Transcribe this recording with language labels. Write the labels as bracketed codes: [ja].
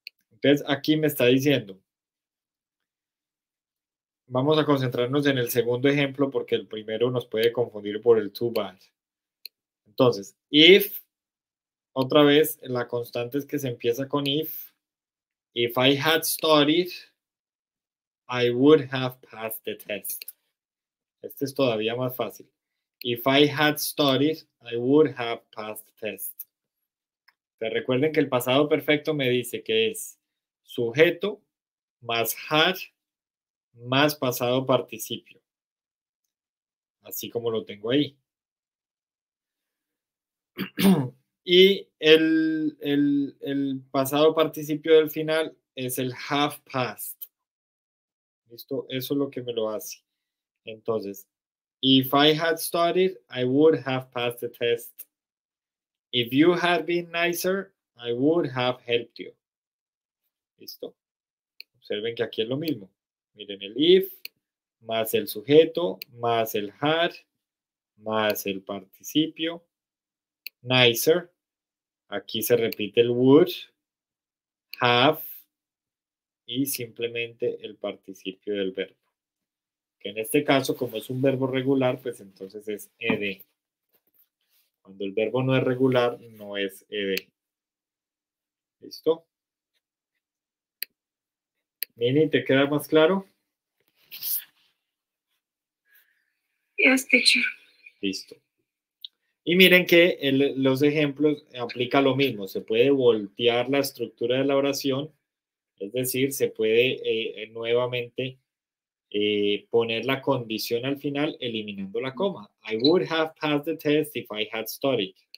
[es] Entonces, aquí me está diciendo, vamos a concentrarnos en el segundo ejemplo, porque el primero nos puede confundir por el to by. Entonces, if, otra vez, la constante es que se empieza con if. [en] If I had studied, I would have passed the test. [es] Este es todavía más fácil. [en] If I had studied, I would have passed the test. [es] Pero recuerden que el pasado perfecto me dice que es sujeto más had más pasado participio. Así como lo tengo ahí. Y el pasado participio del final es el have passed. ¿Listo? Eso es lo que me lo hace. [en] Entonces, if I had studied, I would have passed the test. If you had been nicer, I would have helped you. [es] ¿Listo? Observen que aquí es lo mismo. Miren, el if más el sujeto más el had más el participio. Nicer, aquí se repite el would, have y simplemente el participio del verbo. Que en este caso, como es un verbo regular, pues entonces es ed. Cuando el verbo no es regular, no es ed. ¿Listo? Mini, ¿te queda más claro? [en] Yes, teacher. [es] Listo. Y miren que los ejemplos aplica lo mismo. Se puede voltear la estructura de la oración. Es decir, se puede nuevamente poner la condición al final eliminando la coma. [en] I would have passed the test if I had studied.